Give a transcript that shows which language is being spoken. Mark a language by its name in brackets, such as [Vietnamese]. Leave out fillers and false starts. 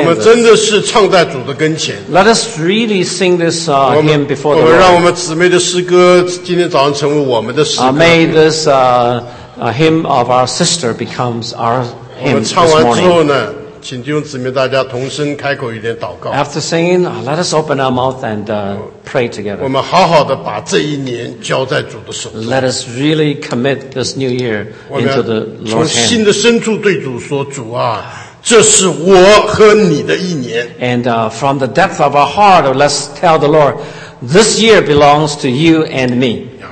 [Chinese] 我们真的是唱在主的跟前。 [English] Let us really sing this hymn before the Lord. [Chinese] 让我们姊妹的诗歌今天早上成为我们的诗歌。 [English] May this hymn of our sister becomes our hymn this morning. [Chinese] 我们唱完之后呢？请弟兄姊妹大家同声开口一点祷告。 [English] After singing, let us open our mouth and pray together. [Chinese] 我们好好的把这一年交在主的手中。 [English] Let us really commit this new year into the Lord's hand. [Chinese] 从心的深处对主说，主啊，这是我和你的一年。 [English] And from the depth of our heart, let's tell the Lord, this year belongs to you and me.